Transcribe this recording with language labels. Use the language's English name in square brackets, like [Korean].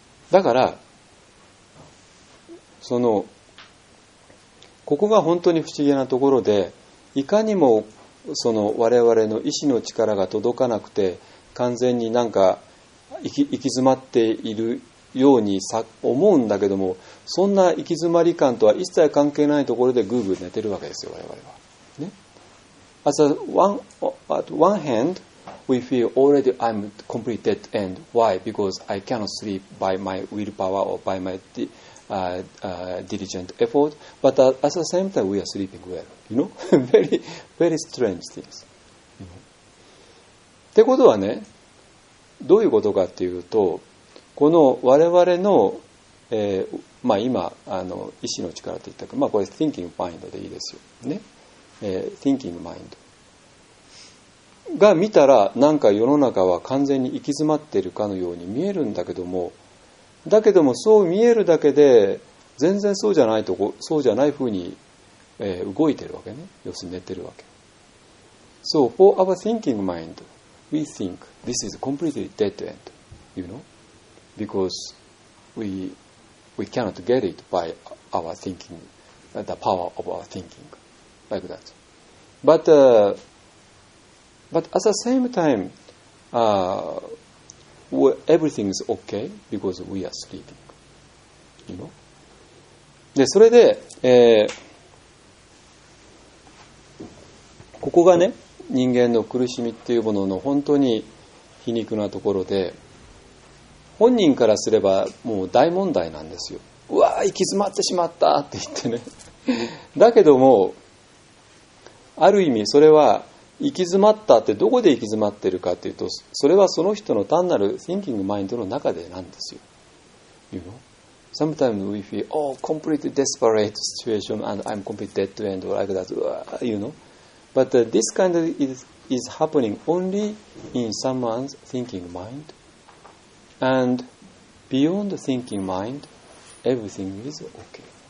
[Japanese] だから、ここが本当に不思議なところで、いかにも、我々の意志の力が届かなくて、完全になんか、行き詰まっているように思うんだけども、そんな行き詰まり感とは一切関係ないところでグーグー寝てるわけですよ、我々は。ね。 [English] At one hand, we feel already I'm complete dead end. Why? Because I cannot sleep by my willpower or by my diligent effort. But at the same time, we are sleeping well. You know? Very, very strange things. [Japanese] ってことはね、どういうことかっていうと、この我々の、今意志の力といったか、これ thinking mind でいいですよね、thinking mind が見たら、なんか世の中は完全に行き詰まっているかのように見えるんだけども、だけどもそう見えるだけで全然そうじゃないと、そうじゃないふうに、動いてるわけね。要するに寝てるわけ。 [English] So for our thinking mind we think this is completely dead end, you knowBecause we cannot get it by our thinking, the power of our thinking, like that. But at the same time, everything is okay because we are sleeping. You know? [Japanese] で、それで、ここがね、人間の苦しみっていうものの本当に皮肉なところで、本人からすればもう大問題なんですよ。うわー行き詰まってしまったって言ってね。だけどもある意味それは行き詰まったってどこで行き詰まってるかっていうと、それはその人の単なる thinking mind の中でなんですよ。 [English] You know? Sometimes we feel, oh, completely desperate situation and I'm completely dead end or like that, you know? But this kind of is happening only in someone's thinking mind. And beyond the thinking mind, everything is okay.